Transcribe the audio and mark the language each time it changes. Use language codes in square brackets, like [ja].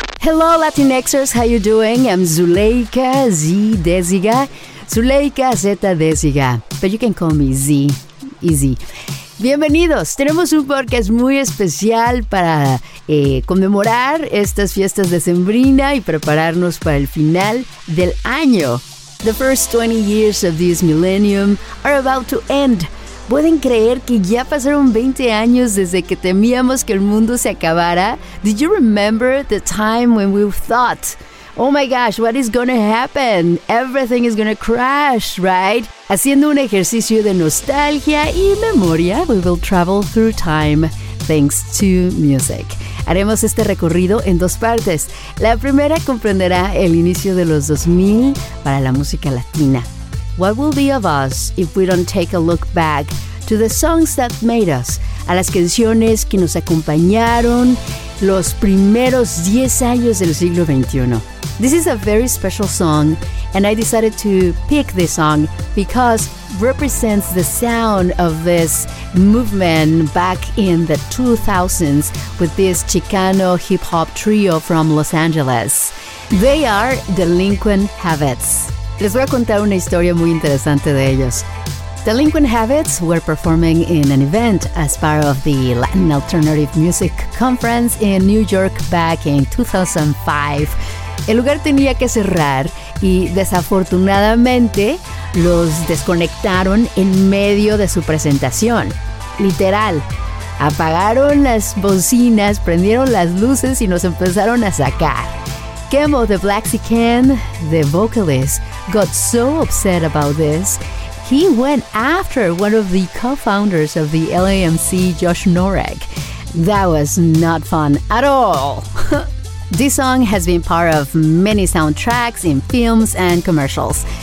[en] Hello, Latinxers. How you doing? I'm Zuleika Z de Siga. Zuleika Z de Siga. But you can call me Z. Easy. [es] Bienvenidos, tenemos un podcast muy especial para conmemorar estas fiestas decembrina y prepararnos para el final del año. [en] The first 20 years of this millennium are about to end. [es] ¿Pueden creer que ya pasaron 20 años desde que temíamos que el mundo se acabara? [en] Did you remember the time when we thought, oh my gosh, what is gonna happen? Everything is gonna crash, right? [es] Haciendo un ejercicio de nostalgia y memoria, [en] we will travel through time thanks to music. [es] Haremos este recorrido en dos partes. La primera comprenderá el inicio de los 2000 para la música latina. [en] What will be of us if we don't take a look back to the songs that made us? [es] A las canciones que nos acompañaron los primeros 10 años del siglo XXI. [en] This is a very special song, and I decided to pick this song because it represents the sound of this movement back in the 2000s with this Chicano hip-hop trio from Los Angeles. They are Delinquent Habits. [es] Les voy a contar una historia muy interesante de ellos. [en] Delinquent Habits were performing in an event as part of the Latin Alternative Music Conference in New York back in 2005. [es] El lugar tenía que cerrar y desafortunadamente los desconectaron en medio de su presentación. Literal, apagaron las bocinas, prendieron las luces y nos empezaron a sacar. [en] Kemo, the Black Sican, the vocalist, got so upset about this, he went after one of the co-founders of the LAMC, Josh Norek. That was not fun at all. This song has been part of many soundtracks in films and commercials.